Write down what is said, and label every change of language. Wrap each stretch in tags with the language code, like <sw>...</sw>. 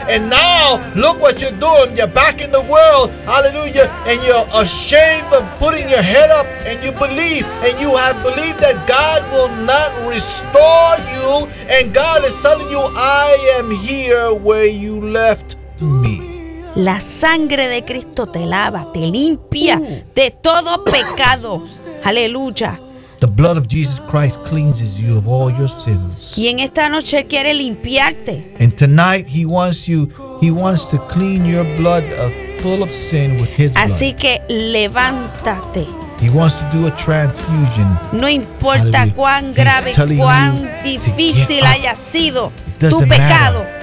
<en>And now, look what you're doing. You're back in the world. Hallelujah. And you're ashamed of putting your head up. And you believe. And you have believed that God will not restore you. And God is telling you, I am here where you left me.</en> <es>La sangre de Cristo te lava, te limpia de todo pecado. Aleluya.</es> <en>The blood of Jesus Christ cleanses you of all your sins.</en> <es>Y en esta noche quiere limpiarte.</es> <en>And tonight he wants to clean your blood full of sin with his blood.</en> <es>Así que levántate.</es> <en>He wants to do a transfusion.</en> <es>No importa cuán grave, cuán difícil haya sido tu pecado.</es>